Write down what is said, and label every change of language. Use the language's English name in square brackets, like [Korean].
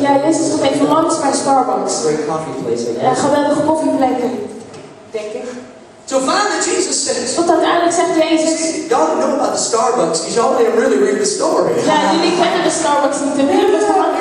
[Dutch] Ja, Jezus gaat even langs bij Starbucks. [English] Great coffee place. [Dutch] Een geweldige koffieplek, denk ik. [English] So finally Jesus says, [Dutch] wat uiteindelijk zegt Jezus. [English] Y'all know about the Starbucks, because y'all didn't really read the story. [Dutch] Ja, jullie kennen de Starbucks niet. En jullie hebben het gewoon niet